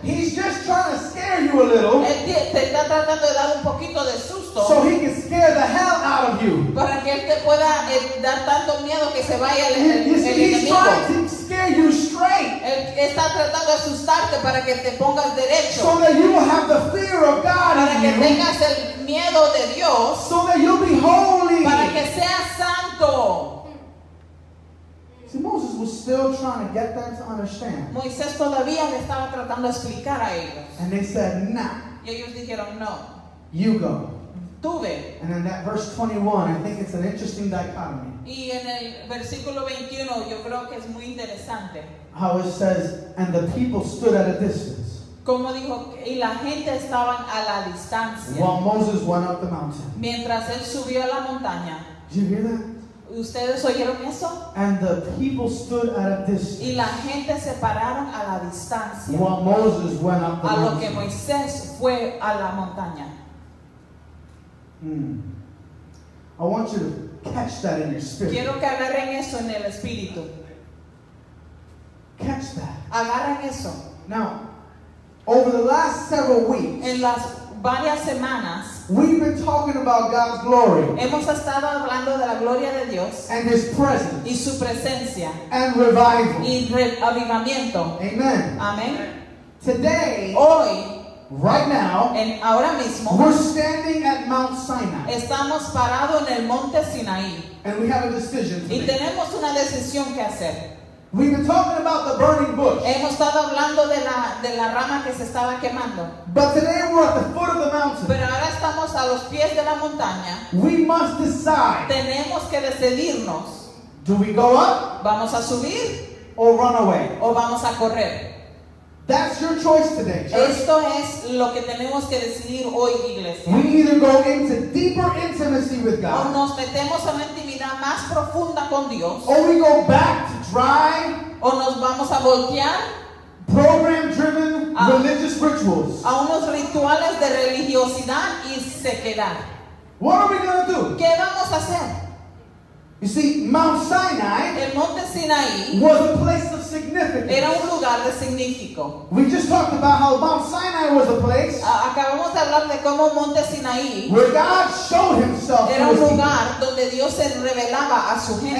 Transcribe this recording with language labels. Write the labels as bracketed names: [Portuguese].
[English] He's just trying to scare you a little. [Spanish] Él te está tratando de dar un poquito de susto. [English] So he can scare the hell out of you. [Spanish] Para que él te pueda dar tanto miedo que se vaya el enemigo. [English] He's trying to scare you straight. [Spanish] Él está tratando de asustarte para que te pongas derecho. [English] So that you will have the fear of God [Spanish] para [English] in [Spanish] que [English] you. [Spanish] Tengas el miedo de Dios. [English] So that you'll be holy. [Spanish] Para que seas santo. [English] See, Moses was still trying to get them to understand. [Spanish] Moisés todavía le estaba tratando de explicar a ellos. [English] And they said, nah. [Spanish] Y ellos dijeron, no. [English] You go. [Spanish] Tú ve. [English] And in that verse 21, I think it's an interesting dichotomy. [Spanish] Y en el versículo 21, yo creo que es muy interesante. [English] How it says, and the people stood at a distance. [Spanish] Como dijo, y la gente estaban a la distancia. [English] While Moses went up the mountain. [Spanish] Mientras él subió a la montaña. [English] Did you hear that? [Spanish] ¿Ustedes oyeron eso? [English] And the people stood at a distance. [Spanish] Y la gente se pararon a la distancia. [English] While Moses went up the mountain. [Spanish] A lo que Moisés fue a la montaña. [English] I want you to catch that in your spirit. [Spanish] Quiero que agarren eso en el espíritu. [English] Catch that. [Spanish] Agarren eso. [English] Now, over the last several weeks. [Spanish] En las varias semanas. [English] We've been talking about God's glory. [Spanish] Hemos estado hablando de la gloria de Dios. [English] And His presence. [Spanish] Y su presencia. [English] And revival. [Spanish] Y avivamiento. Amen. Amen. [English] Today. [Spanish] Hoy. [English] Right now. [Spanish] En ahora mismo. [English] We're standing at Mount Sinai. [Spanish] Estamos parados en el Monte Sinaí. [English] And we have a decision to make. [Spanish] Y tenemos una decisión que hacer. [English] We've been talking about the burning bush. [Spanish] Hemos estado hablando de la rama que se estaba quemando. [English] But today we're at the foot of the mountain. [Spanish] Pero ahora estamos a los pies de la montaña. [English] We must decide. [Spanish] Tenemos que decidirnos. [English] Do we go up? [Spanish] ¿Vamos a subir? [English] Or run away? [Spanish] ¿O vamos a correr? [English] That's your choice today, church. [Spanish] Esto es lo que tenemos que decidir hoy, iglesia. [English] We either go into deeper intimacy with God. [Spanish] O nos metemos en la intimidad más profunda con Dios. [English] Or we go back to dry. [Spanish] O nos vamos a voltear. [English] Program-driven religious rituals. [Spanish] A unos rituales de religiosidad y sequedad. [English] What are we going to do? [Spanish] ¿Qué vamos a hacer? [English] You see, Mount Sinai, [Spanish] el Monte Sinaí, [English] was a place of significance. [Spanish] Era un lugar de significado. [English] We just talked about how Mount Sinai was a place. [Spanish] Acabamos de hablar de cómo Monte Sinaí, [English] where God showed Himself. [Spanish] Era un lugar donde Dios se revelaba a su gente.